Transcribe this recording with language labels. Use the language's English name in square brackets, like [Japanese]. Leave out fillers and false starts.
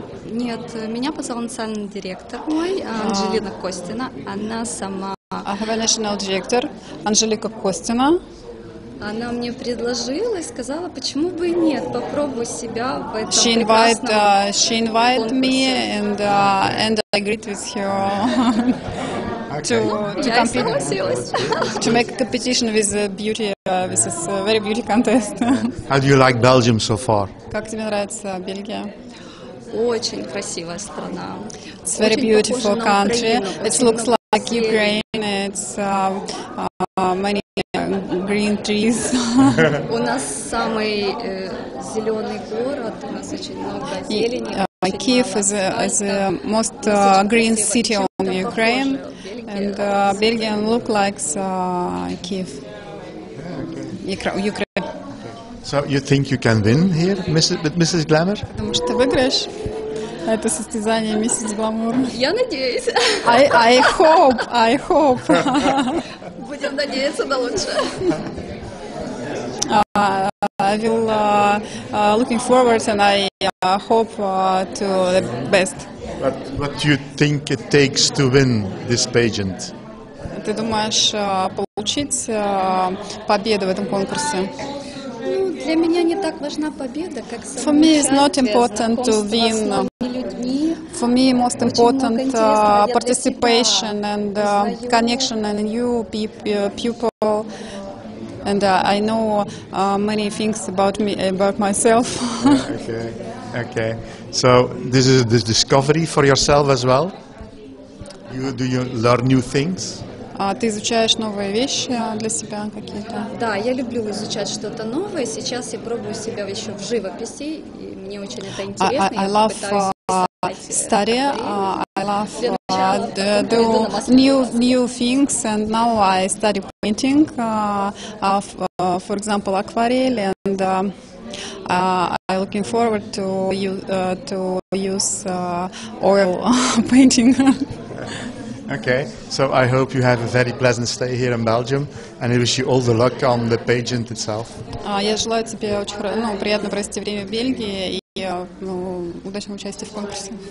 [Russian] Нет, меня позвал национальный директор мой, Анжелина Костина. Она сама... [English] I have a national director, Анжелика Костина. [Russian] Она мне предложила и сказала, почему бы и нет, попробуй себя в этом [English] she [Russian] прекрасном конкурсе. [English] She invited me and I agreed with her. To compete, to make a competition with a beauty, this is a very beauty contest. How do you like Belgium so far? [Russian] Как тебе нравится Бельгия? Очень красивая страна. [English] It's very beautiful country. It looks like Ukraine. It's many green trees. [Russian] У нас самый зеленый город. У нас очень много зелени. [English] Kyiv is the most green city in Ukraine. And Belgium look like Kyiv. Yeah, okay. Ukraine. So you think you can win here with Mrs. Glamour? [Russian] Потому что выиграешь это состязание Mrs. [English] Glamour. [Russian] Я надеюсь. [English] I hope. [Russian] Будем надеяться на лучшее. [English] will looking forward and I hope to the best. But what do you think it takes to win this pageant? [Russian] Ты думаешь получить победу в этом конкурсе? Ну, для меня не так важна победа, как сама. [English] For me it's not important to win. For me most important participation and connection and new people. And I know many things about me, about myself. Okay. So this is this discovery for yourself as well. Do you learn new things? [Russian] Ты изучаешь новые вещи для себя какие-то? Да, я люблю изучать что-то новое. Сейчас я пробую себя еще в живописи, и мне очень это интересно. [English] I love study. I love do new things, and now I study painting. For example, aquarelle, and I'm looking forward to use oil painting. Okay, so I hope you have a very pleasant stay here in Belgium, and I wish you all the luck on the pageant itself. [Russian] Я желаю тебе очень приятно провести время в Бельгии и удачного участия в конкурсе.